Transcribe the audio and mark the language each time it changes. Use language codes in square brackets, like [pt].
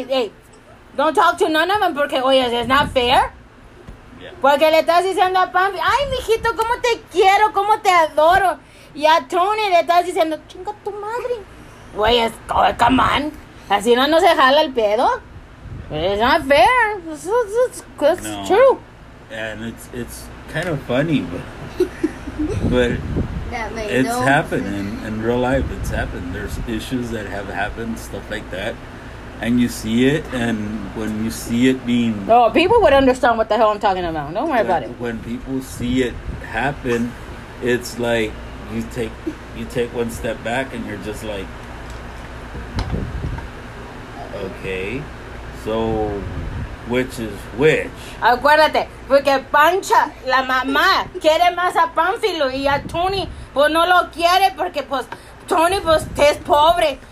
[en] Hey, don't talk to none of them [es] porque, oye, [en] it's not fair. [es] Porque le estás diciendo a Pampi, ay, mijito, cómo te quiero, cómo te adoro. Y a Tony le estás diciendo, chinga tu madre. Güey, es, [en] oh, come on. [es] Así no se jala el pedo. [en] It's not fair. It's true. And it's kind of funny, but it's happened in real life. It's happened. There's issues that have happened, stuff like that. And you see it, and when you see it being... Oh, people would understand what the hell I'm talking about. Don't worry about it. When people see it happen, it's like you take one step back, and you're just like, okay, so which is which? [es] Acuérdate, porque Pancha, la mamá, quiere más a Pánfilo, y a Tony, pues no lo quiere, porque pues Tony, pues, te es pobre.